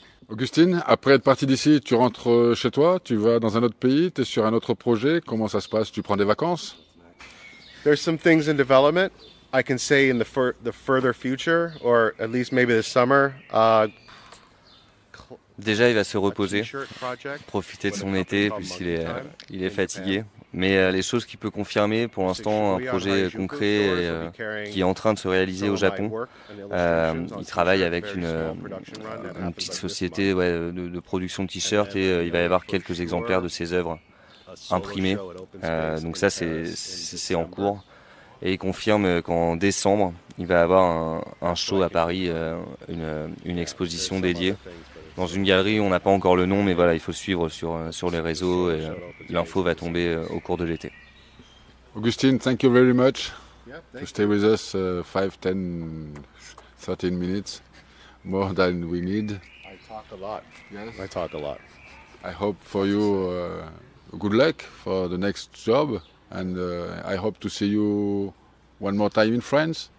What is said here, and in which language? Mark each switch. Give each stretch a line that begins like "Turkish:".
French: Augustine, après être parti d'ici, tu rentres chez toi, tu vas dans un autre pays, tu es sur un autre projet, comment ça se passe? Tu prends des vacances?
English: There's some things in development. I can say in the further future, or at least maybe this summer.
French: Déjà, il va se reposer, profiter de son été, puisqu'il est, il est fatigué. Mais les choses qu'il peut confirmer, pour l'instant, un projet concret qui est en train de se réaliser au Japon. Il travaille avec une petite société de production de t-shirts et il va y avoir quelques exemplaires de ses œuvres imprimées. Donc ça, c'est en cours. Et il confirme qu'en décembre, il va avoir un show à Paris, une exposition dédiée. Dans une galerie, on n'a pas encore le nom, mais voilà, il faut suivre sur les réseaux et l'info va tomber au cours de l'été.
English: Augustine, thank you very much to stay with us 5, 10, 13 minutes, more than we need. I talk a lot. Yes. I talk a lot. I hope for you good luck for the next job and I hope to see you one more time in France.